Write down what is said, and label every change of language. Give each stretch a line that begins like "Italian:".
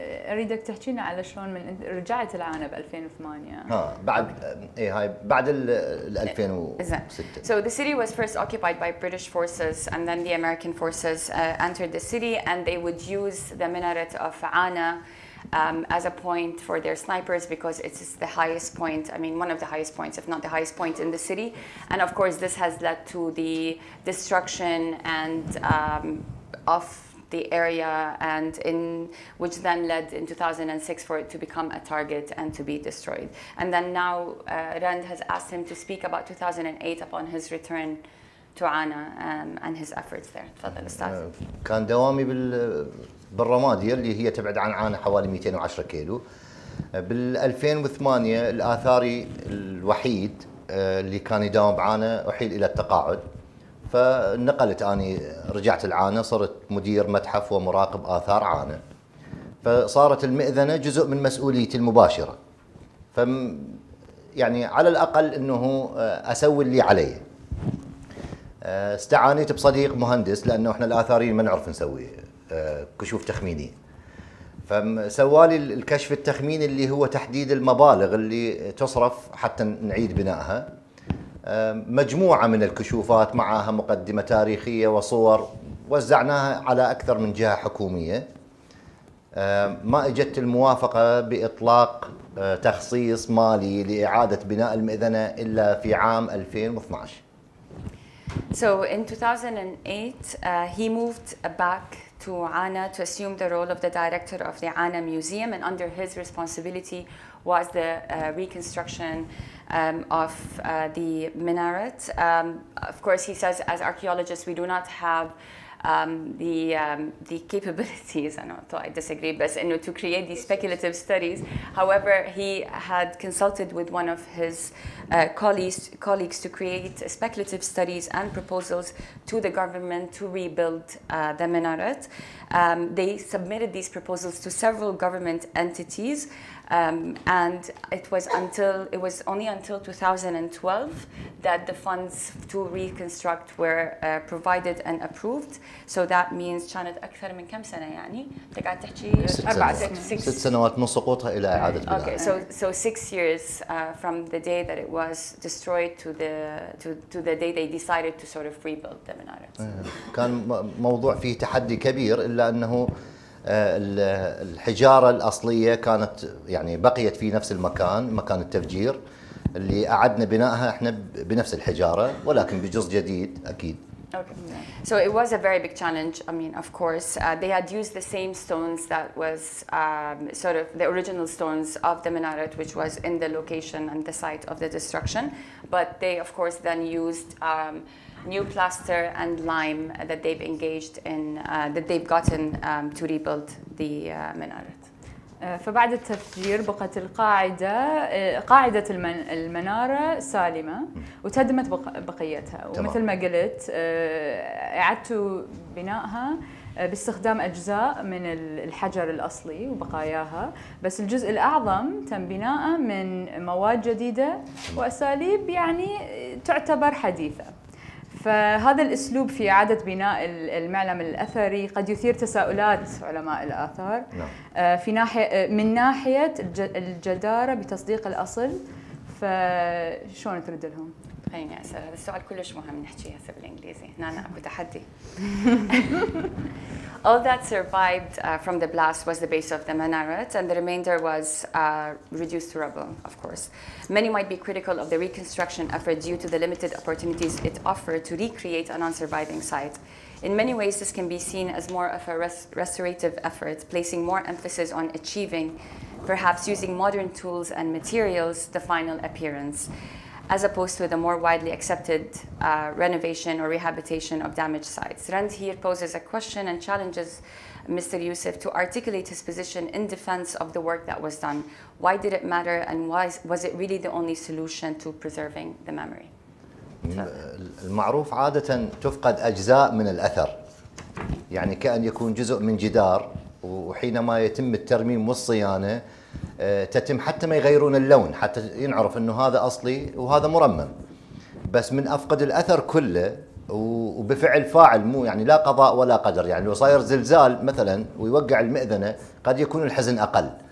Arabic: أريدك تحكينا على شلون من رجعت العانة ب 2008. بعد ال 2006.
English: So the city was first occupied by British forces, and then the American forces entered the city, and they would use the minaret of Anah as a point for their snipers, because it's the highest point, I mean one of the highest points, if not the highest point in the city. And of course this has led to the destruction and of the area, and in which then led in 2006 for it to become a target and to be destroyed. And then now Rand has asked him to speak about 2008 upon his return to Anah and his efforts there.
Arabic: تفضل استاذ. كان دوامي بالرمادي اللي هي تبعد عن عانة حوالي 210 كيلو. بال 2008 الآثاري الوحيد اللي كان يداوم بعانة أحيل إلى التقاعد. فنقلت أنا، رجعت العانة، صرت مدير متحف ومراقب آثار عانة، فصارت المئذنة جزء من مسؤوليتي المباشرة. يعني على الأقل أنه أسوي اللي علي. استعانيت بصديق مهندس، لأنه إحنا الآثاريين ما نعرف نسوي كشوف تخميني، فسوالي الكشف التخميني اللي هو تحديد المبالغ اللي تصرف حتى نعيد بنائها، مجموعة من الكشوفات معها مقدمة تاريخية وصور، وزعناها على أكثر من جهة حكومية. ما إجت الموافقة بإطلاق تخصيص مالي لإعادة بناء المئذنة إلا في عام 2012.
English: So in 2008 he moved back to Anah to assume the role of the director of the Anah Museum, and under his responsibility was the reconstruction of the minaret. Of course, he says, as archaeologists, we do not have the capabilities, I know, I disagree, but you know, to create these speculative studies. However, he had consulted with one of his colleagues to create speculative studies and proposals to the government to rebuild the minaret. They submitted these proposals to several government entities, and it was only until 2012 that the funds to reconstruct were provided and approved. So that means
Arabic: كانت أكثر من كم سنة يعني تقعد تحكي أربع سنوات ست سنوات من سقوطها إلى إعادة بناء.
English: Okay, so 6 years from the day that it was destroyed to the day they decided to sort of rebuild the minaret.
Arabic: كان موضوع فيه تحدي كبير إلا أنه الحجارة الأصلية كانت يعني بقيت في نفس المكان مكان التفجير اللي أعدنا بناءها إحنا بنفس الحجارة ولكن بجزء جديد أكيد.
English: Okay. So it was a very big challenge. I mean, of course, they had used the same stones that was sort of the original stones of the minaret, which was in the location and the site of the destruction. But they, of course, then used new plaster and lime that they've engaged in, that they've gotten to rebuild the minaret.
Arabic: فبعد التفجير بقت القاعدة قاعدة المنارة سالمة وتهدمت بقيتها ومثل ما قلت إعادة بنائها باستخدام أجزاء من الحجر الأصلي وبقاياها بس الجزء الأعظم تم بناءه من مواد جديدة وأساليب يعني تعتبر حديثة فهذا الأسلوب في إعادة بناء المعلم الأثري قد يثير تساؤلات علماء الآثار في ناحية من ناحية الجدارة بتصديق الأصل فشون ترد لهم؟ خليني أسأل هذا السؤال كلش مهم نحكيه هسه بالإنجليزي هنا أنا أبو تحدي.
English: All that survived from the blast was the base of the minaret, and the remainder was reduced to rubble, of course. Many might be critical of the reconstruction effort due to the limited opportunities it offered to recreate a non-surviving site. In many ways, this can be seen as more of a restorative effort, placing more emphasis on achieving, perhaps using modern tools and materials, the final appearance, as opposed to the more widely accepted renovation or rehabilitation of damaged sites. Rand here poses a question and challenges Mr. Yousif to articulate his position in defense of the work that was done. Why did it matter and why was it really the only solution to preserving the memory?
Arabic: المعروف عادة تفقد أجزاء من الأثر. يعني كأن يكون جزء من جدار وحينما يتم الترميم والصيانة تتم حتى ما يغيرون اللون حتى ينعرف انه هذا اصلي وهذا مرمم بس من افقد الاثر كله وبفعل فاعل مو يعني لا قضاء ولا قدر يعني لو صاير زلزال مثلا ويوقع المئذنه قد يكون الحزن اقل